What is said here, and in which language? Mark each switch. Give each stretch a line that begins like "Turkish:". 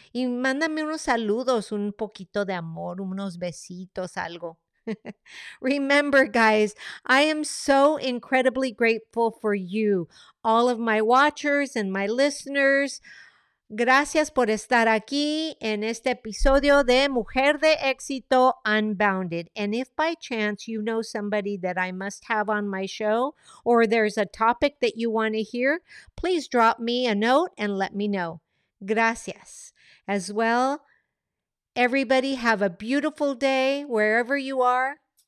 Spanish: Y mándame unos saludos, un poquito de amor, unos besitos, algo.
English: Remember, guys, I am so incredibly grateful for you, all of my watchers and my listeners.
Spanish: Gracias por estar aquí en este episodio de Mujer de Éxito Unbounded.
English: And if by chance you know somebody that I must have on my show, or there's a topic that you want to hear, please drop me a note and let me know.
Spanish: Gracias.
English: As well, everybody have a beautiful day wherever you are.